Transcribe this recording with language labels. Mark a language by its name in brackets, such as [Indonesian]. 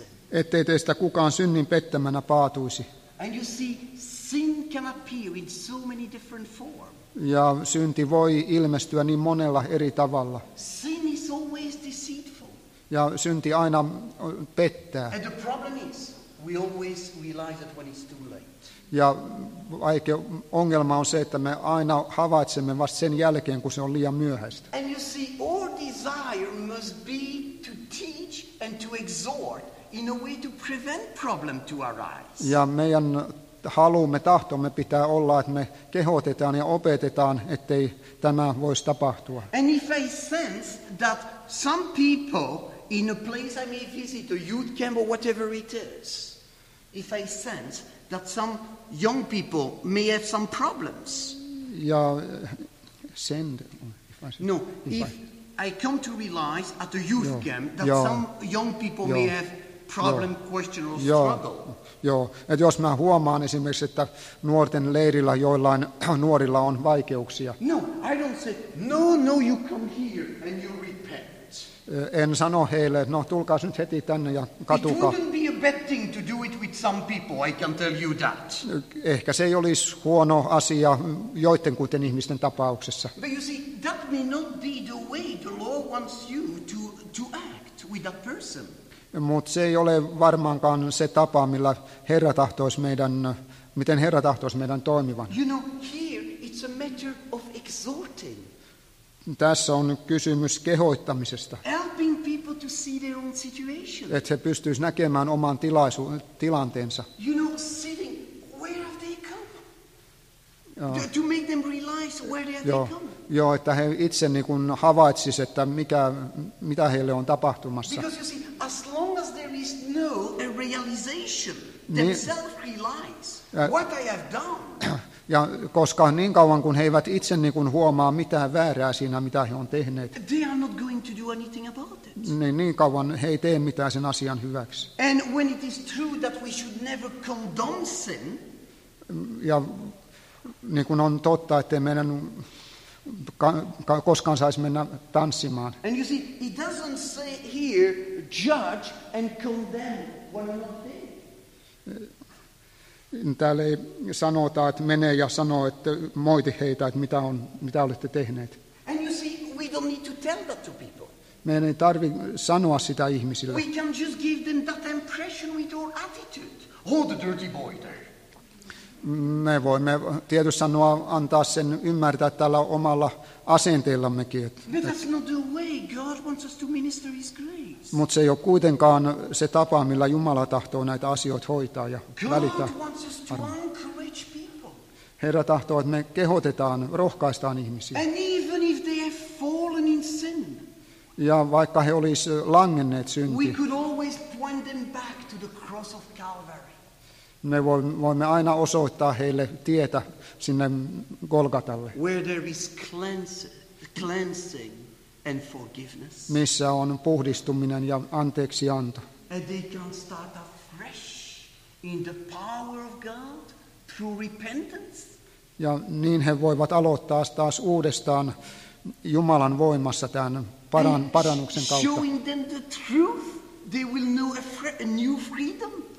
[Finnish] Ettei teistä kukaan synnin pettämänä paatuisi. [English] And you see, sin can appear in so many different forms. [Finnish] Ja synti voi ilmestyä niin monella eri tavalla. [English] Sin is always deceitful. [Finnish] Ja synti aina pettää. [English] And the problem is, we always realize it when it's too late. [Finnish] Ja vaikea ongelma on se, että me aina havaitsemme vasta sen jälkeen, kun se on liian myöhäistä. [English] And you see, our desire must be to teach and to exhort in a way to prevent problem to arise. [Finnish] Ja meidän haluamme, tahtomme pitää olla, että me kehotetaan ja opetetaan, ettei tämä voisi tapahtua. [English] And if I sense that some people in a place I may visit, a youth camp or whatever it is, if I sense that some young people may have some problems. Ja, send. If I come to realize at a youth camp that some young people may have problem, question or struggle. [Finnish] Joo, että jos mä huomaan esimerkiksi, että nuorten leirillä joillain nuorilla on vaikeuksia. [English] No, I don't say, you come here and you repent. [Finnish] En sano heille, no tulkaa nyt heti tänne ja katukaa. [English] It wouldn't be a bad thing to do it with some people, I can tell you that. [Finnish] Ehkä se ei olisi huono asia joidenkuten ihmisten tapauksessa. [English] But you see, that may not be the way the Lord wants you to act with that person. [Finnish] Mutta se ei ole varmaankaan se tapa, millä Herra tahtoisi meidän, miten Herra tahtoisi meidän toimivan. [English] You know, here it's a matter of exhorting. [Finnish] Tässä on kysymys kehoittamisesta. [English] Helping people to see their own situation. [Finnish] Että he pystyisivät näkemään oman tilanteensa. [English] You know, sitting, where have they come? To make them realize where they have come. [Finnish] Joo, että he itse niin kuin havaitsisivat, että mitä heille on tapahtumassa. [English] Because you see, as long as there is no realization, themselves realize what I have done. [Finnish] Ja koska niin kauan kun he eivät itse niin kuin huomaa mitään väärää siinä, mitä he on tehneet, [English] they are not going to do anything about it. [Finnish] Niin kauan he ei tee mitään sen asian hyväksi. [English] And when it is true that we should never condone sin, [Finnish] ja niin kuin on totta, että meidän koskaan saisi mennä tanssimaan. [English] And you see, it doesn't say here, judge and condemn one another. [Finnish] Täällä ei sanota, että menee ja sanoo, että moiti heitä, että mitä olette tehneet. [English] And you see, we don't need to tell that to people. [Finnish] Meidän ei tarvi sanoa sitä ihmisille. [English] We can just give them that impression with our attitude. Hold the dirty boy there. [Finnish] Me voimme tietysti sanoa, antaa sen ymmärtää tällä omalla asenteellammekin. [English] But that's not the way God wants us to minister his grace. [Finnish] Mutta se ei ole kuitenkaan se tapa, millä Jumala tahtoo näitä asioita hoitaa ja välittää. [English] God wants us to encourage people. [Finnish] Herra tahtoo, että me kehotetaan, rohkaistaan ihmisiä. [English] And even if they have fallen in sin, [Finnish] ja vaikka he olisi langenneet synti, [English] we could always point them back to the cross of Calvary. [Finnish] Me voimme aina osoittaa heille tietä sinne Golgatalle. [English] Where there is cleansing. and forgiveness. [Finnish] Missä on puhdistuminen ja anteeksianto. [English] And they can start afresh in the power of God through repentance. [Finnish] Ja niin he voivat aloittaa taas uudestaan Jumalan voimassa tämän parannuksen kautta. [English] Showing them the truth, they will know a new freedom.